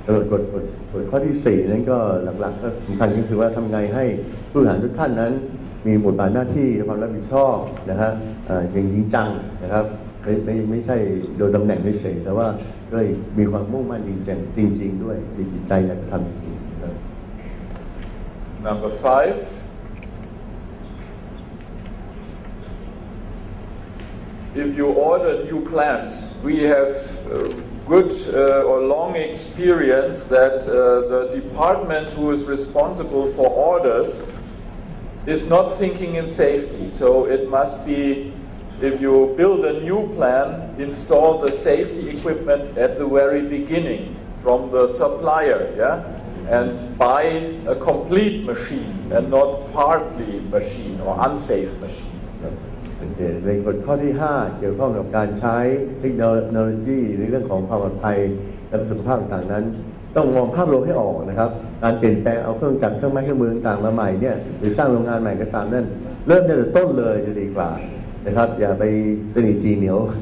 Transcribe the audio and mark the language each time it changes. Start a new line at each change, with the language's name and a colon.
Thai: กฎข้อที่4นั้นก็หลักๆก็สำคัญก็คือว่าทำไงให้ผู้บริหารทุกท่านนั้นมีบทบาทหน้าที่ความรับผิดชอบนะฮะอย่างจริงจังนะครับไม่ใช่โดยตำแหน่งไม่เฉยแต่ว่าด้วยมีความมุ่งมั่นจริงจังจริงๆด้วยมีจิตใจในการทำจริงๆ
English: Number 5 If you order new plants we have good or long experience that the department who is responsible for orders is not thinking in safety. So it must be, if you build a new plan, install the safety equipment at the very beginning from the supplier, yeah? And buy a complete machine and not partly machine or unsafe machine.
Thai: ในกฎข้อที่5เกี่ยวข้องกับการใช้เทคโนโลยีในเรื่องของความปลอดภัยและประสิทธิภาพต่างๆนั้นต้องมองภาพรวมให้ออกนะครับการเปลี่ยนแปลงเอาเครื่องจักรเครื่องไม้เครื่องมือต่างๆมาใหม่เนี่ยหรือสร้างโรงงานใหม่ก็ตามนั่นเริ่มตั้งแต่ต้นเลยจะดีกว่านะครับอย่าไปตื่นตีเหนียว